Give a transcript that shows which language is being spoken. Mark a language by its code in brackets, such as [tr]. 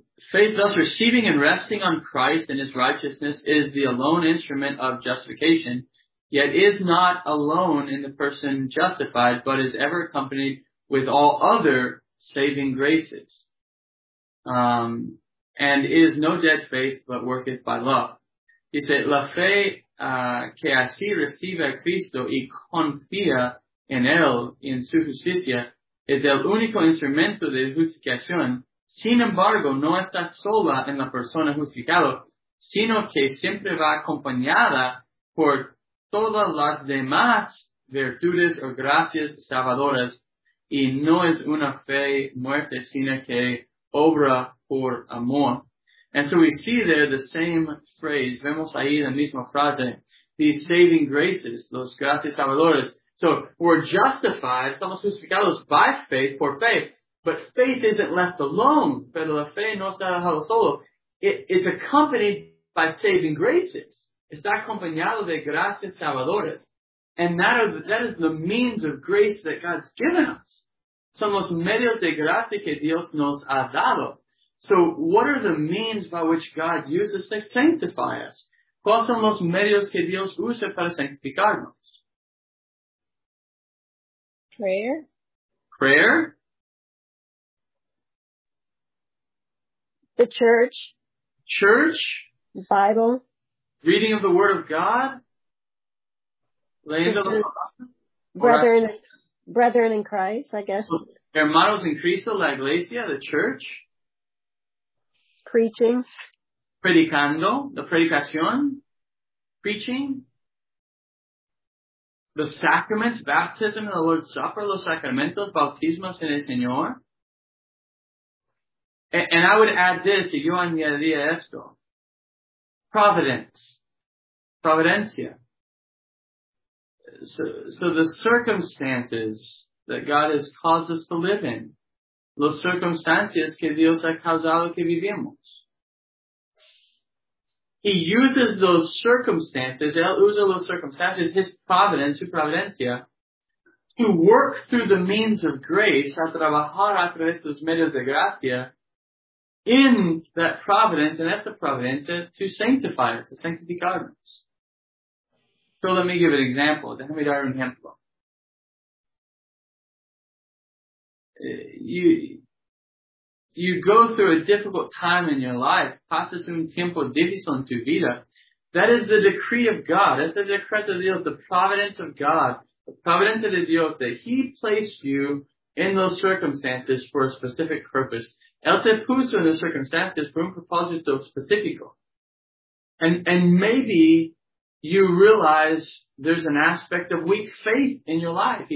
[en] Faith thus receiving and resting on Christ and his righteousness is the alone instrument of justification, yet is not alone in the person justified, but is ever accompanied with all other saving graces. And is no dead faith, but worketh by love. He said, [es] la fe que así recibe a Cristo y confía en él, en su justicia, es el único instrumento de justificación. Sin embargo, no está sola en la persona justificada, sino que siempre va acompañada por todas las demás virtudes o gracias salvadoras. Y no es una fe muerta, sino que obra por amor. [en] And so we see there the same phrase. [es] Vemos ahí la misma frase. [en] These saving graces, [es] los gracias salvadoras. [en] So we're justified, [es] somos justificados [en] by faith, [es] por fe. [en] But faith isn't left alone. [es] Pero la fe no está dejada solo. [en] It's accompanied by saving graces. [es] Está acompañado de gracias salvadoras. [en] And that is the means of grace that God's given us. [es] Son los medios de gracia que Dios nos ha dado. [en] So what are the means by which God uses to sanctify us? [es] ¿Cuáles son los medios que Dios usa para sanctificarnos? [en] Prayer. The church. Church. The Bible. Reading of the Word of God. Brethren in Christ, I guess. [es] Hermanos en Cristo, la iglesia, [en] the church. Preaching. [es] Predicando, la predicación. [en] Preaching. The sacraments, baptism and the Lord's Supper, [es] los sacramentos, bautismos en el Señor. [en] And I would add this, [es] y yo añadiría esto. [en] Providence. Providencia. So the circumstances that God has caused us to live in. [es] Los circunstancias que Dios ha causado que vivimos. [en] He uses those circumstances, [es] él usa los circumstances, [en] his providence, [es] su providencia, [en] to work through the means of grace, [es] a trabajar a través de los medios de gracia, [en] in that providence, and that's the providencia, to sanctify us, to sanctificarnos. So let me give an example. [es] Déjame dar un ejemplo. [en] You go through a difficult time in your life. [es] Pasas un tiempo difícil en tu vida. [en] That is the decree of God. That's the [es] decreto de Dios, [en] the providence of God. The [es] providencia de Dios [en] that he placed you in those circumstances for a specific purpose. [es] Él te puso en las circunstancias por un propósito específico. [en] And maybe you realize there's an aspect of weak faith in your life.